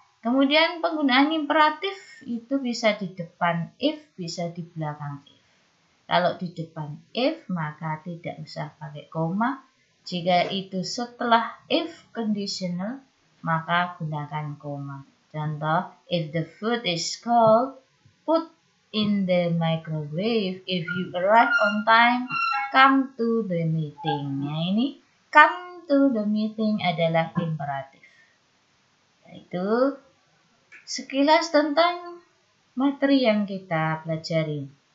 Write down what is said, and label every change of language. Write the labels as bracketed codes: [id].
[id] Kemudian penggunaan imperatif itu bisa di depan if, bisa di belakang if. Kalau di depan if, maka tidak usah pakai koma. Jika itu setelah if conditional, maka gunakan koma. Contoh, [en] if the food is cold, put in the microwave. If you arrive on time, come to the meeting. [id] Nah, ini [en] come to the meeting [id] adalah imperatif. Nah, itu sekilas tentang materi yang kita pelajari.